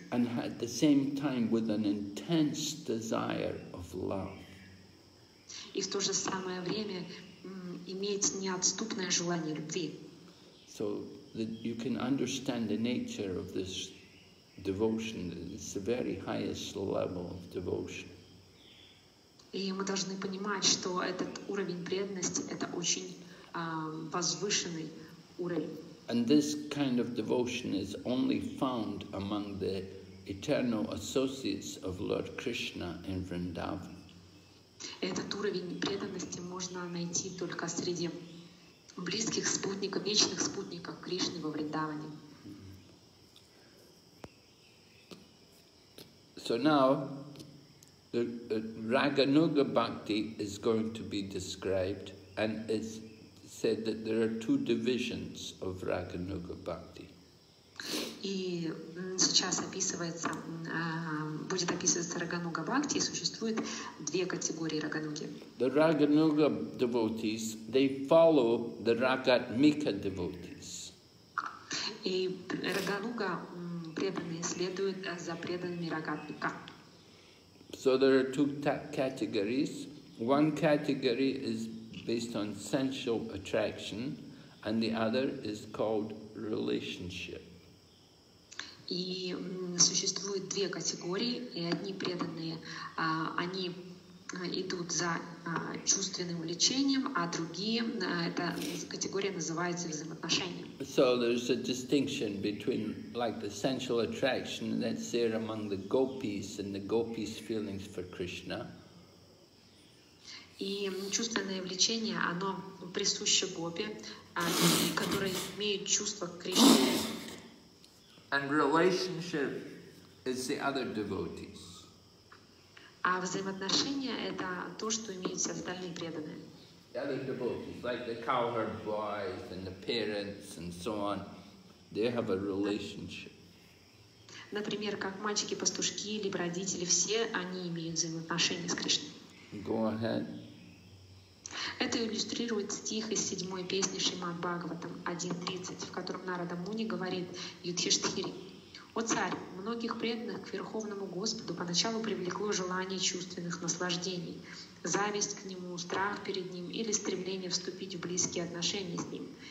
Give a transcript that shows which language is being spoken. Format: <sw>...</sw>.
<en>And at the same time with an intense desire of love.</en> <ru>И в то же самое время иметь неотступное желание любви.</ru> <en>So that you can understand the nature of this devotion. It's the very highest level of devotion.</en> <ru>И мы должны понимать, что этот уровень преданности – это очень возвышенный уровень.</ru> <en>And this kind of devotion is only found among the eternal associates of Lord Krishna in Vrindavan.</en> <ru>Этот уровень преданности можно найти только среди близких спутников, вечных спутников Кришны во Вриндаване.</ru> <en>So now, the Raganuga Bhakti is going to be described, and it's said that there are two divisions of Raganuga Bhakti.</en> <ru>И сейчас описывается, будет описываться Рагануга Бхакти, и существует две категории Рагануги.</ru> <en>The Raganuga devotees, they follow the Ragatmika devotees.</en> <ru>И Рагануга, преданные, следуют за преданными Рагануга.</ru> <en>So there are two categories. One category is based on sensual attraction, and the other is called relationship.</en> <ru>И существует две категории, и одни преданные, они идут за чувственным влечением, а другие, эта категория называется взаимоотношения.</ru> <en>So there's a distinction between like the sensual attraction that's there among the gopis and the gopis' feelings for Krishna.</en> <ru>И чувственное влечение, оно присуще гопи, которые имеют чувство к Кришне.</ru> <en>And relationship is the other devotees.</en> <ru>А взаимоотношения — это то, что имеют все остальные преданные.</ru> <en>The other devotees, like the cowherd boys and the parents and so on, they have a relationship.</en> <ru>Например, как мальчики-пастушки, либо родители, все они имеют взаимоотношения с Кришной.</ru> <en>Go ahead.</en> <ru>Это иллюстрирует стих из седьмой песни Шримад Бхагаватам 1.30, в котором Нарада Муни говорит Юдхиштхире: «О царь, многих преданных к Верховному Господу поначалу привлекло желание чувственных наслаждений, зависть к Нему, страх перед Ним или стремление вступить в близкие отношения с Ним.</ru>